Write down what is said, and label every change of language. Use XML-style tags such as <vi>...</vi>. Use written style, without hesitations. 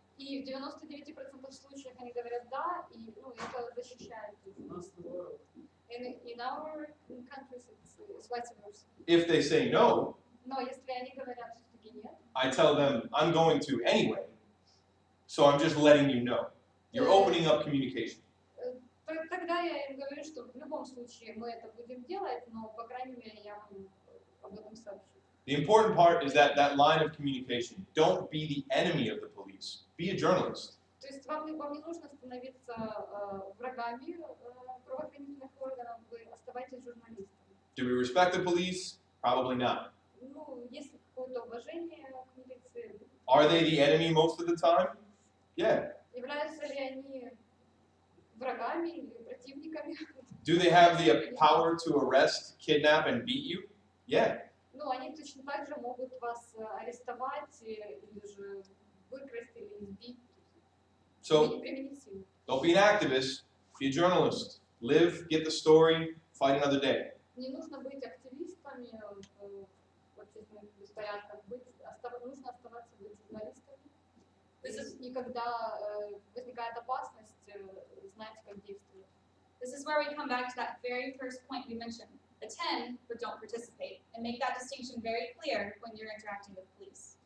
<ru>И в 99% случаев они говорят да, и ну это защищает их.</ru> <en>In our countries it's vice versa. If they say no,</en> <ru>но если они говорят все-таки нет,</ru> <en>I tell them I'm going to anyway, so I'm just letting you know. You're opening up communication.</en> <ru>Тогда я им говорю, что в любом случае мы это будем делать, но по крайней мере я вам об этом сообщу.</ru> <en>The important part is that line of communication. Don't be the enemy of the police. Be a journalist.</en> <ru>То есть вам не нужно становиться врагами правоохранительных органов. Вы оставайтесь журналистом.</ru> <en>Do we respect the police? Probably not.</en> <ru>Ну, есть какое-то уважение к милиции.</ru> <en>Are they the enemy most of the time? Yeah.</en> <ru>Являются ли они врагами или противниками?</ru> <en>Do they have the power to arrest, kidnap, and beat you? Yeah.</en> <ru>Ну, они точно так же могут вас арестовать или же выкрасть или избить.</ru> <en>So, don't be an activist, be a journalist. Live, get the story, fight another day.</en> <ru>Не нужно быть активистами, нужно оставаться быть журналистами. И когда возникает опасность, знаете, как действовать.</ru> <en>This is where we come back to that very first point we mentioned. Attend, but don't participate. And make that distinction very clear when you're interacting with police.</en>